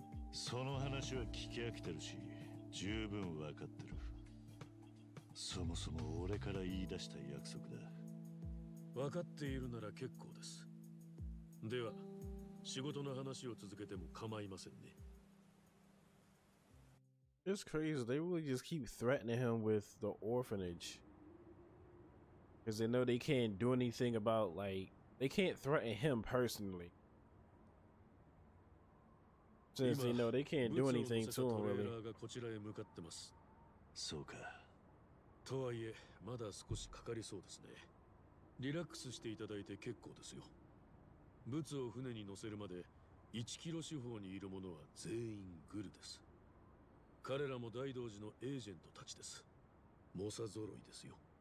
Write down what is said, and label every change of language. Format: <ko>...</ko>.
<ja>その話は聞き飽きてるし、十分わかってる。そもそも俺から言い出した約束だ。分かっているなら結構です。では仕事の話を続けても構いませんね。</ja> <en>It's crazy. They really just keep threatening him with the orphanage because they know they can't do anything about, like, they can't threaten him personally since they know they can't do anything to him really.</en> <ja>今、物を乗せたトレーラーがこちらへ向かってます。 そうか。とはいえまだ少しかかりそうですね。リラックスしていただいて結構ですよ。物を船に乗せるまで1キロ四方にいる者は全員グルです。彼らも大道寺のエージェントたちです。猛者揃いですよ。</ja>